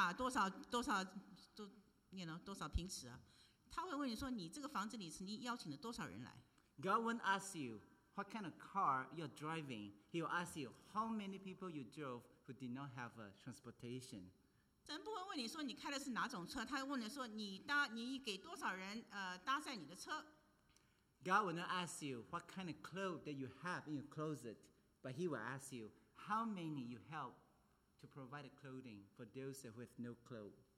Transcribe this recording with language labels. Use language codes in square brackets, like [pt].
[zh] 神不会问你说，哎，你的房子有多大，多少平尺啊？他会问你说，你这个房子里，你邀请了多少人来？ [en] God won't ask you what kind of car you're driving. He will ask you how many people you drove who did not have a transportation. [zh] 神不会问你说，你开的是哪种车？他会问你说，你搭，你给多少人搭载你的车？ [en] God will not ask you what kind of clothes that you have in your closet, but He will ask you how many you help to provide a clothing for those with no clothes.